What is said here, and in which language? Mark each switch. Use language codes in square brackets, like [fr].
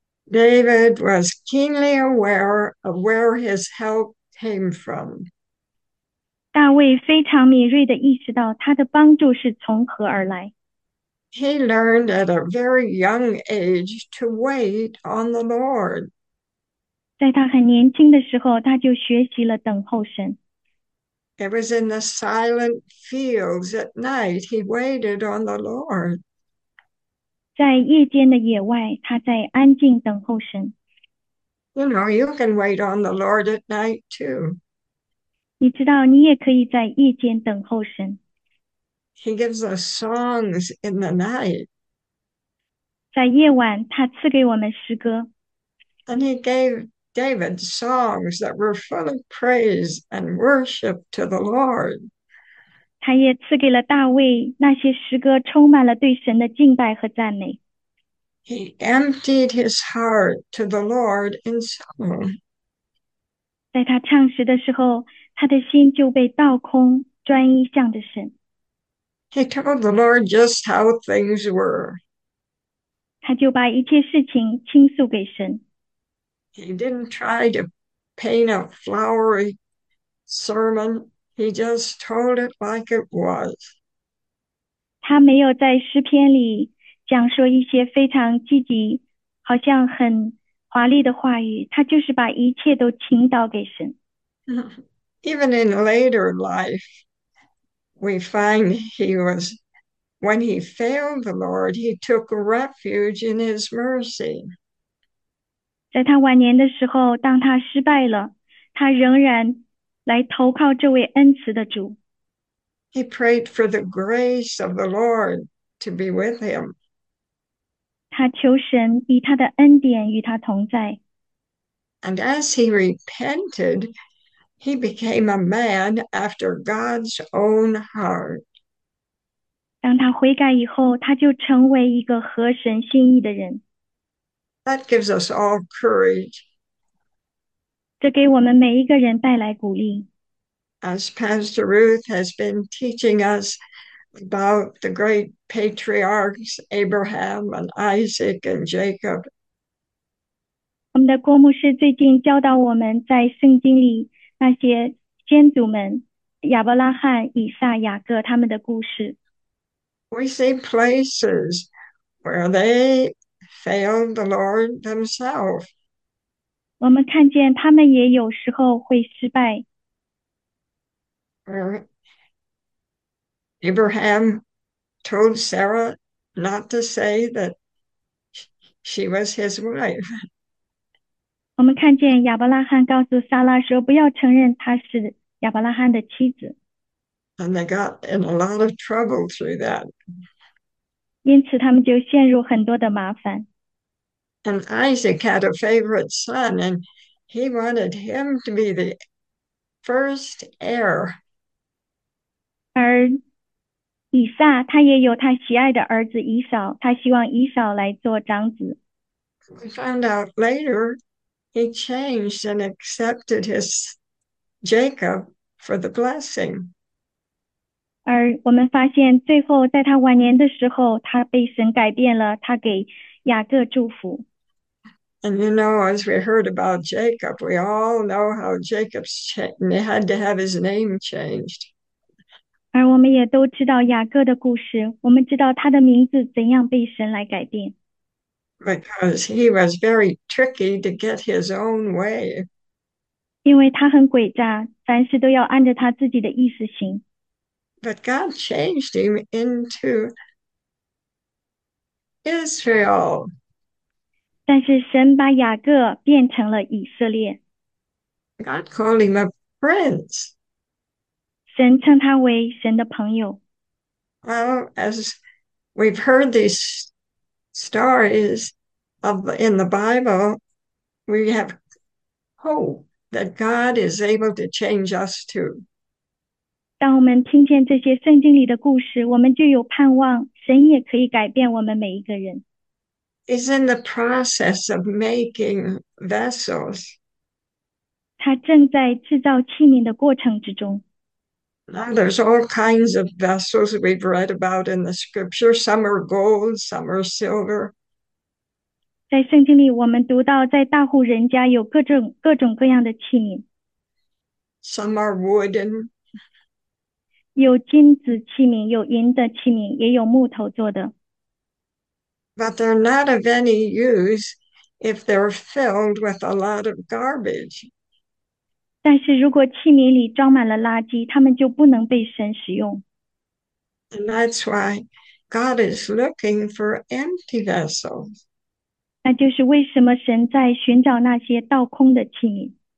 [en] David was keenly aware of where his help came from. [zh] 大卫非常敏锐地意识到他的帮助是从何而来。 [en] He learned at a very young age to wait on the Lord. [zh] 在他很年轻的时候，他就学习了等候神。 [en] It was in the silent fields at night he waited on the Lord. [zh] 在夜间的野外，他在安静等候神。 [en] You know, you can wait on the Lord at night too. [zh] 你知道，你也可以在夜间等候神。 [en] He gives us songs in the night. [zh] 在夜晚，他赐给我们诗歌。 [en] And he gave David songs that were full of praise and worship to the Lord. [zh] 他也赐给了大卫那些诗歌，充满了对神的敬拜和赞美。 [en] He emptied his heart to the Lord in song. [zh] 在他唱诗的时候，他的心就被倒空，专一向着神。 [en] He told the Lord just how things were. [zh] 他就把一切事情倾诉给神。 [en] He didn't try to paint a flowery sermon. He just told it like it was. [zh] 他没有在诗篇里讲说一些非常积极、好像很华丽的话语，他就是把一切都倾倒给神。 [en] Even in later life, we find he was, when he failed the Lord, he took refuge in his mercy. [zh] 在他晚年的时候，当他失败了，他仍然来投靠这位恩慈的主。 [en] He prayed for the grace of the Lord to be with him. [zh] 他求神以他的恩典与他同在。 [en] And as he repented, he became a man after God's own heart. [zh] 当他悔改以后，他就成为一个合神心意的人。 [en] That gives us all courage. [zh] 这给我们每一个人带来鼓励。 [en] As Pastor Ruth has been teaching us about the great patriarchs, Abraham and Isaac and Jacob. [zh] 的郭牧师最近教导我们在圣经里那些先祖们亚伯拉罕、以撒、雅各他们的故事。 [en] We see places where they failed the Lord themselves. [zh] 我们看见他们也有时候会失败。 [en] Where Abraham told Sarah not to say that she was his wife. [zh] 我们看见亚伯拉罕告诉撒拉说：“不要承认她是亚伯拉罕的妻子。 [en] And they got in a lot of trouble through that. [zh] ”因此，他们就陷入很多的麻烦。 [en] And Isaac had a favorite son, and he wanted him to be the first heir. [zh] 而以撒他也有他喜爱的儿子以扫，他希望以扫来做长子。 [en] We found out later he changed and accepted his Jacob for the blessing. [zh] 而我们发现，最后在他晚年的时候，他被神改变了，他给雅各祝福。 [en] And you know, as we heard about Jacob, we all know how Jacob's changed, and he had to have his name changed. [zh] 而我们也都知道雅各的故事，我们知道他的名字怎样被神来改变。 [en] Because he was very tricky to get his own way. [zh] 因为他很诡诈，凡事都要按着他自己的意思行。 [en] But God changed him into Israel. [zh] 但是神把雅各变成了以色列。 [en] God called him a prince. [zh] 神称他为神的朋友。 [en] Well, as we've heard these stories of in the Bible, we have hope that God is able to change us too. [zh] 当我们听见这些圣经里的故事，我们就有盼望，神也可以改变我们每一个人。 [en] Is in the process of making vessels. [zh] 他正在制造器皿的过程之中。 [en] Now, there's all kinds of vessels we've read about in the scripture. Some are gold, some are silver. [zh] 在圣经里，我们读到，在大户人家有各种各样的器皿。 [en] Some are wooden. [zh] 有金子器皿，有银的器皿，也有木头做的。 [en] But they're not of any use if they're filled with a lot of garbage. [zh] 但是如果器皿里装满了垃圾，它们就不能被神使用。 [en] And that's why God is looking for empty vessels. [zh] 那就是为什么神在寻找那些倒空的器皿。